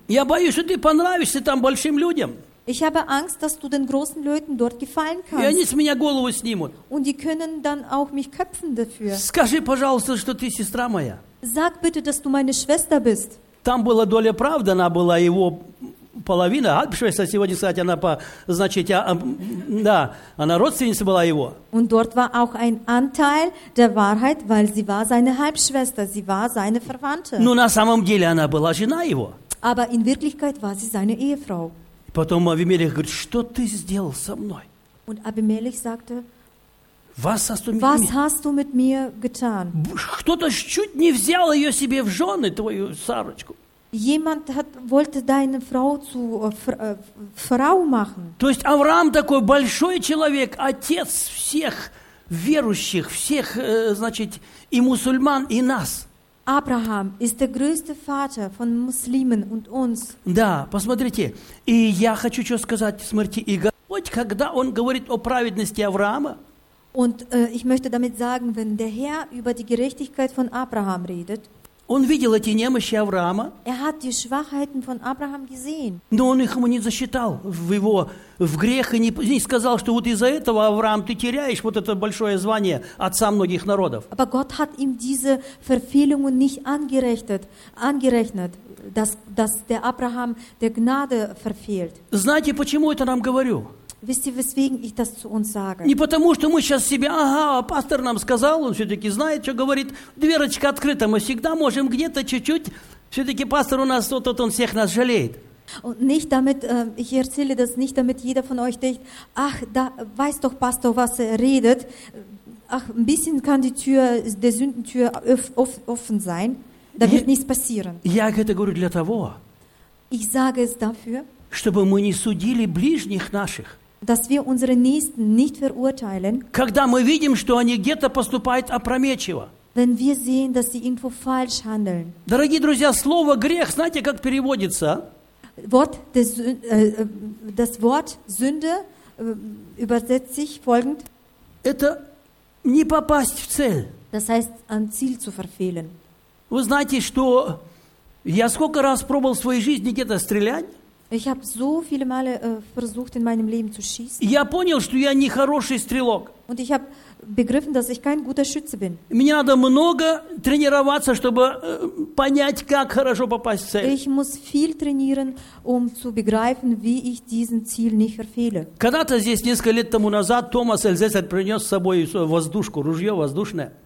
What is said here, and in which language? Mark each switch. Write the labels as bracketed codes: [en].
[ru] Я боюсь, что ты понравишься там большим людям. [de] Ich habe Angst, dass du den großen Leuten dort gefallen kannst. [ru] И они с меня голову снимут. [de] Und die können dann auch mich köpfen dafür. [ru] Скажи, пожалуйста, что ты сестра моя. [de] Sag bitte, dass du meine Schwester bist. [ru] Там была доля правды, она была его половина. Halbschwester, сегодня сказать, она по, значит, да, она родственница была его. [de] Und dort war auch ein Anteil der Wahrheit, weil sie war seine Halbschwester, sie war seine Verwandte. [ru] Ну, на самом деле она была жена его. [de] Aber in Wirklichkeit war sie seine Ehefrau. [ru] Потом Авимелех говорит, что ты сделал со мной? [de] Und Abimelech sagte, was hast du mit was mir? Hast du mit mir getan? [ru] Кто-то чуть не взял ее себе в жены, твою Сарочку. [de] Jemand hat, wollte deine Frau zu Frau machen. [ru] То есть Авраам такой большой человек, отец всех верующих, всех, значит, и мусульман, и нас. [de] Abraham ist der größte Vater von Muslimen und uns. [ru] Да, посмотрите. И я хочу что сказать, смотрите, и Господь, когда он говорит о праведности Авраама, [de] und ich möchte damit sagen, wenn der Herr über die Gerechtigkeit von Abraham redet, [ru] он видел эти немощи Авраама, [de] er hat die Schwachheiten von Abraham gesehen. [ru] Но он их ему не засчитал в его в грех и не, не сказал, что вот из-за этого, Авраам, ты теряешь вот это большое звание отца многих народов. [de] Aber Gott hat ihm diese Verfehlungen nicht angerechnet, dass der Abraham der Gnade verfehlt. [ru] Знаете, почему это нам говорю? [de] Wisst ihr, weswegen ich das zu uns sage? [ru] Не потому, что мы сейчас себе, ага, пастор нам сказал, он все-таки знает, что говорит, дверочка открыта, мы всегда можем где-то чуть-чуть, все-таки пастор у нас, тот он всех нас жалеет. [de] Und nicht damit, ich erzähle das nicht, damit jeder von euch denkt, ach, da weiß doch Pastor, was er redet, ach, ein bisschen kann die Tür, der Sündentür offen sein, da wird nichts passieren. [ru] Я это говорю для того, [de] ich sage es dafür, [ru] чтобы мы не судили ближних наших, [de] dass wir unsere Nächsten nicht verurteilen, [ru] когда мы видим, что они где-то поступают опрометчиво. [de] Wenn wir sehen, dass sie irgendwo falsch handeln. [ru] Дорогие друзья, слово «грех», знаете, как переводится? [de] Wort des, das Wort «Sünde» übersetzt sich folgend. [ru] Это не попасть в цель. [de] Das heißt, an Ziel zu verfehlen. [ru] Вы знаете, что я сколько раз пробовал в своей жизни где-то стрелять? [de] Ich habe so viele Male versucht, in meinem Leben zu schießen. [ru] Я понял, что я не хороший стрелок. [de] Und ich habe begriffen, dass ich kein guter Schütze bin. [ru] Мне надо много тренироваться, чтобы понять, как хорошо попасть в цель. [de] Ich muss viel trainieren, um zu begreifen, wie ich diesen Ziel nicht verfehle. [ru] Когда-то здесь несколько лет тому назад Томас Эльзецер принес с собой воздушку, ружье воздушное.